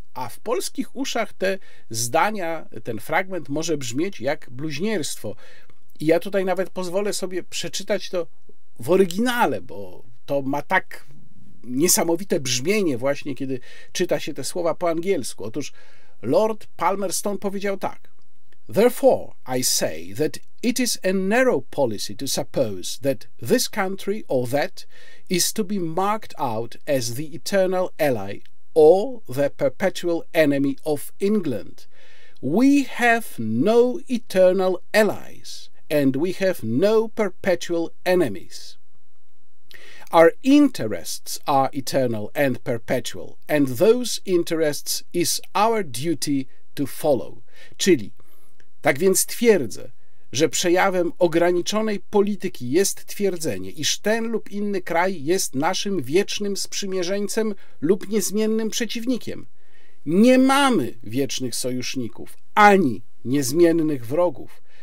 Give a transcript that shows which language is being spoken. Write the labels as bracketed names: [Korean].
[Polish] A w polskich uszach te zdania, ten fragment może brzmieć jak bluźnierstwo. I ja tutaj nawet pozwolę sobie przeczytać to w oryginale, bo to ma tak niesamowite brzmienie właśnie, kiedy czyta się te słowa po angielsku. Otóż Lord Palmerston powiedział tak: [English] "Therefore I say that it is a narrow policy to suppose that this country or that is to be marked out as the eternal ally or the perpetual enemy of England. We have no eternal allies, and we have no perpetual enemies. Our interests are eternal and perpetual, and those interests is our duty to follow." [Polish] Czyli, tak więc twierdzę, że przejawem ograniczonej polityki jest twierdzenie, iż ten lub inny kraj jest naszym wiecznym sprzymierzeńcem lub niezmiennym przeciwnikiem. Nie mamy wiecznych sojuszników ani niezmiennych wrogów.